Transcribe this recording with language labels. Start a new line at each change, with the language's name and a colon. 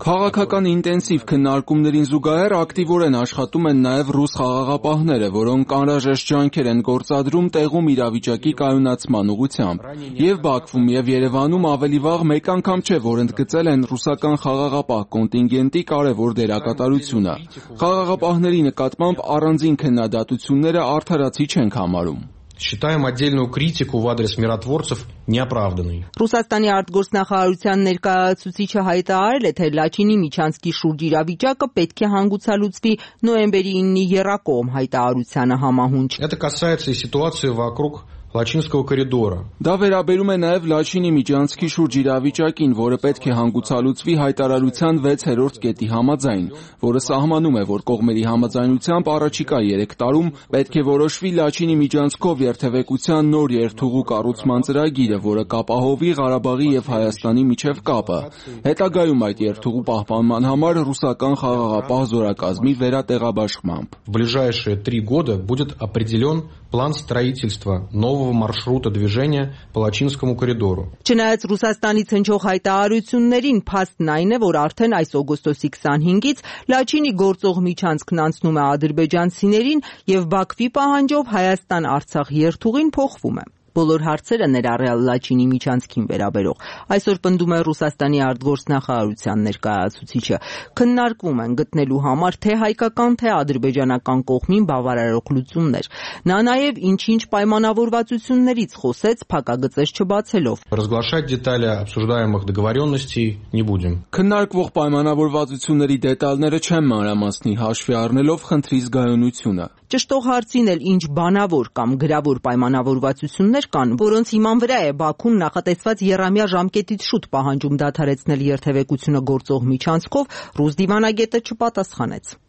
Armenian: Քաղաքական ինտենսիվ քննարկումներին զուգահեռ ակտիվորեն աշխատում են նաև ռուս խաղաղապահները, որոնք անհրաժեշտ ջանքեր են գործադրում տեղում իրավիճակի կայունացման ուղղությամբ։ Եվ Բաքվում, և Երևանում ավելի վաղ մեկ անգամ չէ, որ ընդգծել են ռուսական խաղաղապահ կոնտինգենտի կարևոր դերակատարությունը։ Խաղաղապահների նկատմամբ առանձին քննադատությունները արդարացի չենք համարում։
Russian: Считаем отдельную критику в адрес миротворцев неоправданной.
Armenian: Ռուսաստանի արտգործնախարարության ներկայացուցիչը հայտարարել է, թե Լաչինի միջանցքի շուրջ իրավիճակը պետք է հանգուցալուծվի նոյեմբերի 9-ի եռակողմ հայտարարությանը համահունչ։
Russian: Это касается и ситуации вокруг Лачинского коридора.
Armenian: Դա վերաբերում է նաև Լաչինի միջանցքի շուրջ իրավիճակին, որը պետք է հանգուցալուծվի հայտարարության 6-րդ կետի համաձայն, որը սահմանում է, որ կողմերի համաձայնությամբ առաջիկա 3 տարում պետք է որոշվի Լաչինի միջանցքով երթևեկության նոր երթուղու կառուցման ծրագիրը, որը կապահովի Ղարաբաղի և Հայաստանի միջև կապը։ Հետագայում այդ երթուղու պահպանման համար ռուսական խաղաղապահ զորակազմի վերատեղաբաշխմամբ։
Russian: В ближайшие 3 года будет определён план строительства нового маршрута движения по Лачинскому коридору.
Armenian: Չնայած Ռուսաստանից հնչող հայտարարություններին, փաստն այն է, որ արդեն այս օգոստոսի 25-ից Լաչինի գործող միջանցքն անցնում է ադրբեջանցիներին, և Բաքվի պահանջով Հայաստան-Արցախ երթուղին փոխվում է։ Բոլոր հարցերը ներառյալ Լաչինի միջանցքին վերաբերող, այսօր պնդում է Ռուսաստանի արտգործնախարարության ներկայացուցիչը, քննարկվում են գտնելու համար թե հայկական, թե ադրբեջանական կողմին բավարարող լուծումներ։ Նա նաև ինչ-ինչ պայմանավորվածություններից խոսեց, փակագծեր չբացելով։
Russian: Разглашать детали обсуждаемых договорённостей не будем.
Armenian: Քննարկվող պայմանավորվածությունների դետալները չեմ մանրամասնի, հաշվի առնելով խնդրի զգայունությունը։ Ճշտող հարցին էլ, ինչ բանավոր կամ գրավոր պայմանավորվածություններ կան, որոնց հիման վրա է Բաքուն նախատեսված երամյա ժամկետից շուտ պահանջում դադարեցնել երթևեկությունը գործող միջանցքով, ռուս դիվանագետը չպատասխանեց։